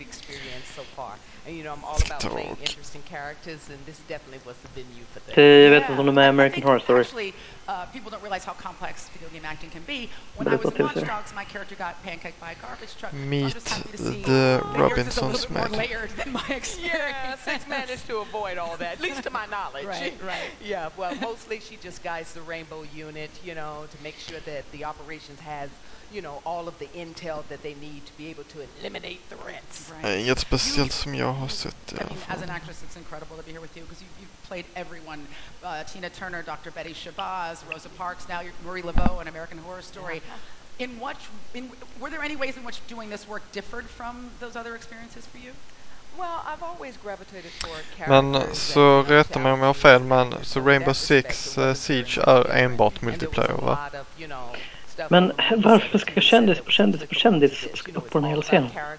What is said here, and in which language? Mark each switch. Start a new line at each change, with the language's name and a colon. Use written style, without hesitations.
Swedish: Jag vet inte om du är med i American Horror Story.
English: People don't realize how complex video game acting can be. When I was in Watch Dogs, my character got pancaked by a garbage truck. Meet the Robinsons, Matt. More layered than my experience. Yes, I managed to avoid all that, at least to my knowledge. Right. Yeah, well, mostly she just guides the Rainbow Unit, you know, to make sure that the operations has, you know, all of the intel that they need to be able to eliminate threats. Right.
Swedish: Inget speciellt som jag har sett.
English: I mean, as an actress, it's incredible to be here with you because you've played everyone. Tina Turner, Dr. Betty Shabazz, Rosa Parks, now Marie Laveau in American Horror Story. Yeah. Were there any ways in which doing this work differed from those other experiences for you? Well, I've always gravitated toward characters.
Swedish: Men så rätta mig om jag har fel, men så Rainbow Six Siege är enbart multiplayer, va? Men varför ska kändis ska upp på den hela scenen?